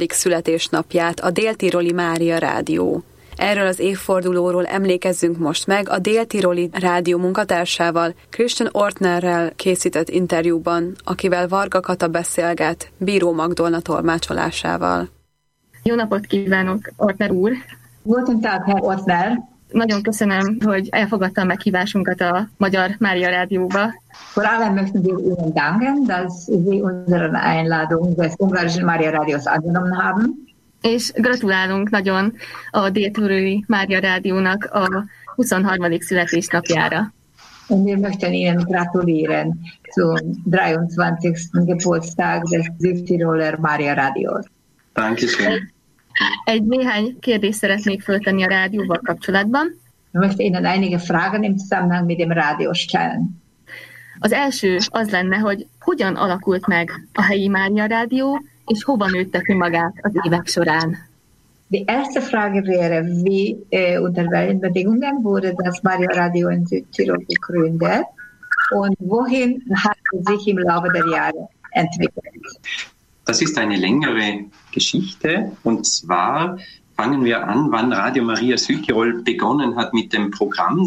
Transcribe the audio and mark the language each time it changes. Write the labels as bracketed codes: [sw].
[hu] születésnapját a Dél-Tiroli Mária Rádió. Erről az évfordulóról emlékezzünk most meg a Dél-Tiroli Rádió munkatársával, Christian Ortnerrel készített interjúban, akivel Varga Kata beszélget Bíró Magdolna tolmácsolásával. Jó napot kívánok, Ortner úr! [de] Guten Tag, Herr Ortner! [hu] Nagyon köszönöm, hogy elfogadta a meghívásunkat a Magyar Mária Rádióba. [de] Vor allem möchte wir Ihnen danken, dass Sie unsere Einladung des Ungarischen Mária Rádiós angenommen haben. [hu] És gratulálunk nagyon a Dél-Tiroli Mária Rádiónak a 23. születésnapjára. [de] Und wir möchten Ihnen gratulieren zum 23. Geburtstag des Südtiroler Mária Rádiós. Danke schön. [hu] Egy néhány kérdést szeretnék föltenni a rádióval kapcsolatban. [de] Möchte Ihnen einige Fragen im Zusammenhang mit dem Radio stellen. [hu] Az első az lenne, hogy hogyan alakult meg a helyi Mária Rádió, és hova nőtte ki magát az évek során? [de] Die erste Frage wäre, wie unter welchen Bedingungen wurde das Mária Rádió in Südtirol gegründet, und wohin hat sich im Laufe der Jahre entwickelt? Das ist eine längere Geschichte, und zwar fangen wir an, wann Radio Maria Südtirol begonnen hat mit dem Programm.